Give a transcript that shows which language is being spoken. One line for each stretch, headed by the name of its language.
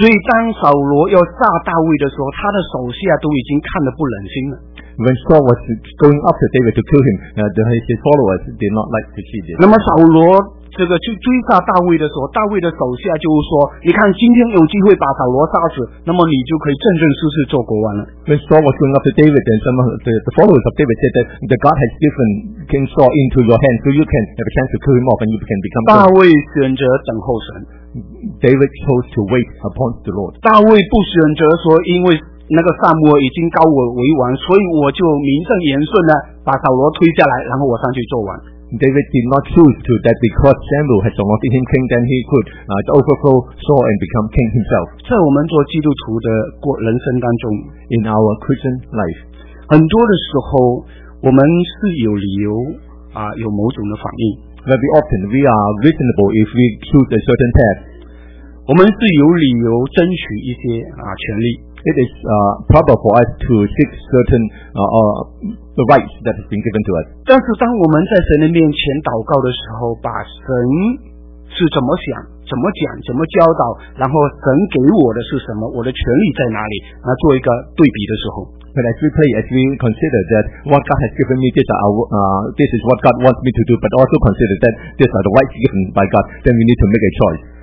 Chinese: 所以当扫罗要杀大卫的时候，他的手下都已经看得不忍心了。
English: When Saul was going after David to kill him, his followers did not like to see this.
Chinese: 那么扫罗这个去追杀大卫的时候，大卫的手下就说：“你看，今天有机会把扫罗杀死，那么你就可以正正式式做国王了。”
English: When Saul was going after David, and some of the followers of David said that God has given King Saul into your hands, so you can have a chance to kill him off, and you can become.
Chinese: 大卫选择等候神。
English: David chose to wait upon the Lord.
Chinese: 大卫不选择说，因为那个撒母耳已经高我为王，所以我就名正言顺的把扫罗推下来，然后我上去做王。
English: David did not choose to that because Samuel had anointed him king, then he could overthrow Saul and become king himself.
Chinese: 在我们做基督徒的过人生当中
English: ，in our Christian life，
Chinese: 很多的时候我们是有理由有某种的反应。
English: Very often we are reasonable if we choose a certain path.
Chinese: 我们是有理由争取一些权利。
English: It is proper for us to seek certain the rights that has been given to us.
Chinese: 但是当我们在神的面前祷告的时候，把神是怎么想、怎么讲、怎么教导，然后神给我的是什么，我的权利在哪里，那做一个对比的时候。
English: But as we pray, as we consider that what God has given me, this is what God wants me to do, but also consider that these are the rights given by God, then we need to make a choice.